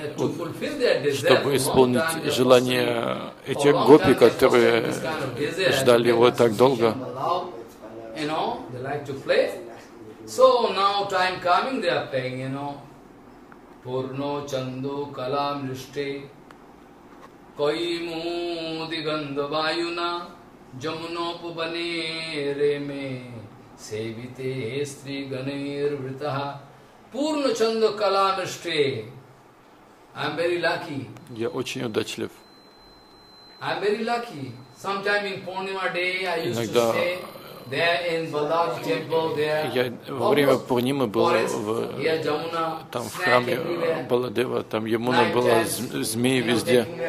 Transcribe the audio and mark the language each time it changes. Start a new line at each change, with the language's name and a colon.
Russian: чтобы исполнить желание этих гопи, которые ждали его так долго.
English: You know, they like to play. So now time coming, they are playing, you know.
Sanskrit: Пурно чандо калам риште, кайму дигандвайуна, Джамунопубане реме севите стри ганейр вритаха пурна чандо каланаште.
English: I'm very lucky.
Russian: Я очень удачлив.
English: I'm very lucky. Sometime in Purnima day I used to stay there in Balaji temple there.
Russian: Я во время Пурнимы был в там в храме Баладева, там Ямуна была, змеи везде.